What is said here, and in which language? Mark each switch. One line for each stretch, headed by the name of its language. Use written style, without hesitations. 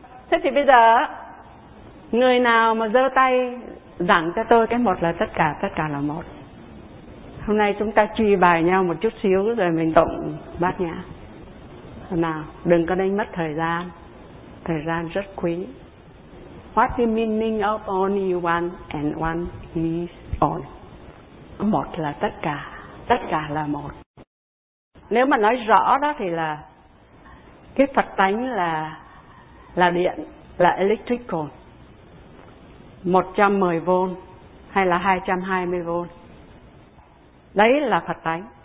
Vietnamese: Thế thì bây giờ người nào mà giơ tay giảng cho tôi cái một là tất cả, tất cả là một. Hôm nay chúng ta truy bài nhau một chút xíu rồi mình tụng Bát Nhã. Nào, đừng có đánh mất thời gian, thời gian rất quý.
English: What's the meaning of only one and one is all?
Vietnamese: Một là tất cả, tất cả là một. Nếu mà nói rõ đó thì là cái Phật tánh là điện, là electrical, 110V hay là 220V. Đấy là Phật tánh.